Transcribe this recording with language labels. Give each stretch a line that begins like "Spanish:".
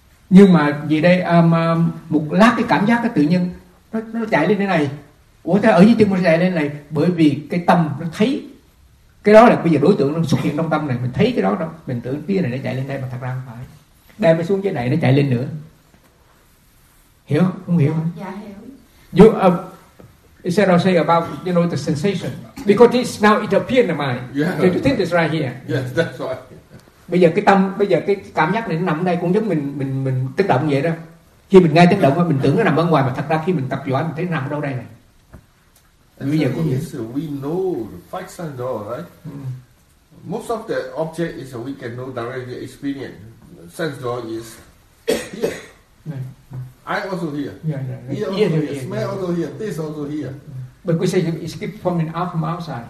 Vietnamese: Nhưng mà gì đây, một lát cái cảm giác nó tự nhiên nó chạy lên thế này. Ủa thế ở dưới chân mình chạy lên này, bởi vì cái tâm nó thấy. Cái đó là bây giờ đối tượng nó xuất hiện trong tâm này, mình thấy cái đó, mình tưởng phía này nó chạy lên đây, mà thật ra không phải. Đem nó xuống dưới này nó chạy lên nữa. Hiểu không? Không hiểu không? Dạ hiểu.
English: You, it said I'll say about, you know, the sensation. Because it's now it appears in the mind. Yeah. Do you think it's right here? Yes, that's right.
Vietnamese: Bây giờ cái tâm, bây giờ cái cảm giác này nó nằm ở đây cũng giống mình tức động vậy đó. Khi mình nghe tức động mình tưởng nó nằm ở ngoài, mà thật ra khi mình tập võ mình thấy nó nằm ở đâu đây này. Bây giờ cũng
English: yes, we know the facts and all, right? Most of the object is we can know directly experience. Sense door is here. I also here. Yeah. Also smell also here. This also here. But we say it's keep from in out from outside.